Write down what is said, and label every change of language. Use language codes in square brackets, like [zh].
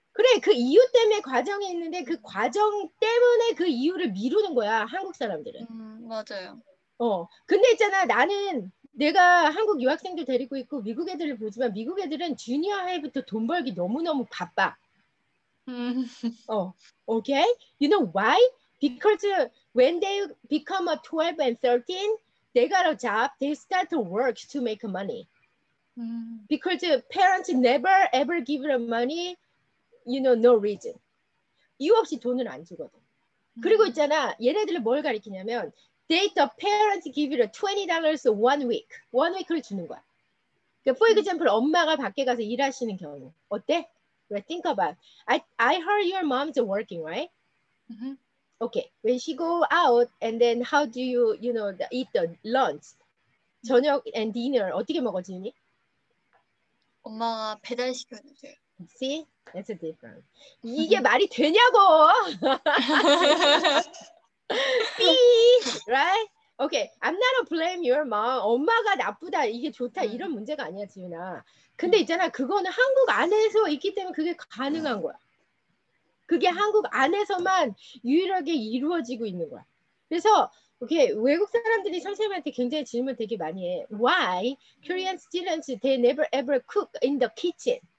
[ko] 그래, 그 이유 때문에 과정이 있는데 그 과정 때문에 그 이유를 미루는 거야, 한국 사람들은. 맞아요. 근데 있잖아, 나는 내가 한국 유학생들 데리고 있고 미국 애들을 보지만 미국 애들은 주니어 하이부터 돈 벌기 너무너무 바빠. [en] 오케이? Okay? You know why? Because when they become a 12 and 13, they got a job, they start to work to make money. Because parents never ever give them money, you know, no reason. [ko] 이유 없이 돈을 안 주거든. 그리고 있잖아, 얘네들을 뭘 가리키냐면, [en] They, the parents give you $20 one week. One week [ko] 를 주는 거야. 그러니까 [en] for example, [ko] 엄마가 밖에 가서 일하시는 경우. 어때? [en] Think about it. I heard your mom's working, right? Okay. When she go out, and then how do you, you know, eat the lunch? [ko] 저녁 [en] and dinner. [ko] 어떻게 먹어지니? 엄마가 배달시켜 주세요. [en] See? That's a difference. [ko] 이게 말이 되냐고! 삐, [en] right? Okay, I'm not a blame your mom. [ko] 엄마가 나쁘다, 이게 좋다, 이런 문제가 아니야, 지윤아. 근데 있잖아, 그거는 한국 안에서 있기 때문에 그게 가능한 거야. 그게 한국 안에서만 유일하게 이루어지고 있는 거야. 그래서, okay, 외국 사람들이 선생님한테 굉장히 질문 되게 많이 해. [en] Why Korean students, they never ever cook in the kitchen?